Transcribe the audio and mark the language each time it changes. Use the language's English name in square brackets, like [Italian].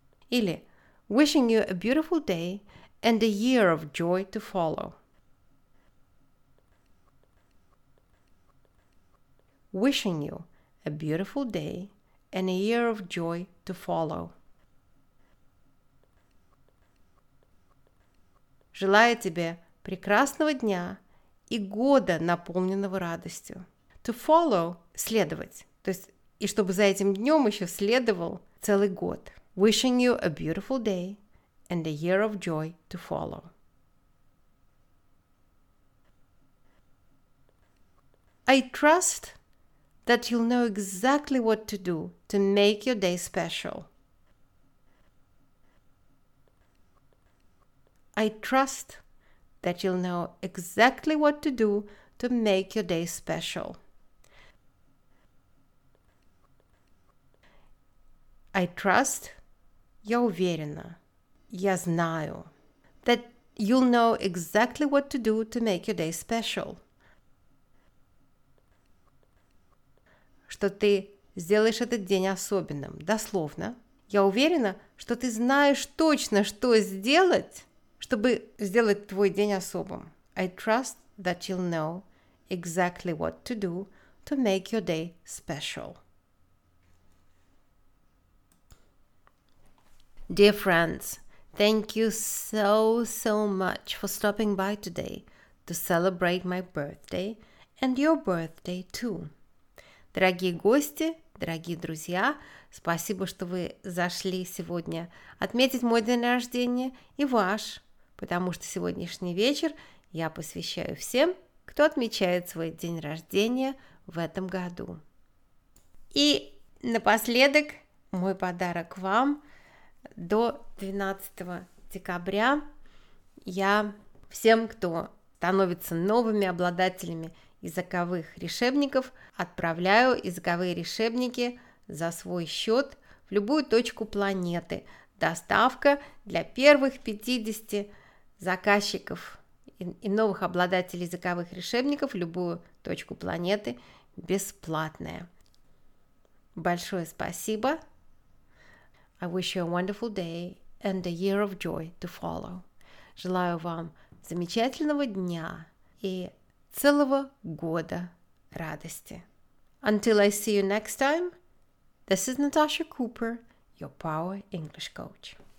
[English] Или wishing you a beautiful day and a year of joy to follow. Wishing you a beautiful day and a year of joy to follow. [Russian] Желаю тебе прекрасного дня и года, наполненного радостью. [English] To follow [Russian] – следовать. То есть, и чтобы за этим днем еще следовал целый год. [English] Wishing you a beautiful day and a year of joy to follow. I trust that you'll know exactly what to do to make your day special. I trust that you'll know exactly what to do to make your day special. I trust, [Russian] я уверена, я знаю, [English] that you'll know exactly what to do to make your day special. [Russian] Что ты сделаешь этот день особенным, дословно. Я уверена, что ты знаешь точно, что сделать, чтобы сделать твой день особым. [English] I trust that you'll know exactly what to do to make your day special. Dear friends, thank you so, so much for stopping by today to celebrate my birthday and your birthday too. [Russian] Дорогие гости, дорогие друзья, спасибо, что вы зашли сегодня отметить мой день рождения и ваш, потому что сегодняшний вечер я посвящаю всем, кто отмечает свой день рождения в этом году. И напоследок мой подарок вам. До 12 декабря я всем, кто становится новыми обладателями языковых решебников, отправляю языковые решебники за свой счет в любую точку планеты. Доставка для первых 50 заказчиков и новых обладателей языковых решебников в любую точку планеты бесплатная. Большое спасибо! [English] I wish you a wonderful day and a year of joy to follow. [Russian] Желаю вам замечательного дня и целого года радости. [English] Until I see you next time, this is Natasha Cooper, your Power English Coach.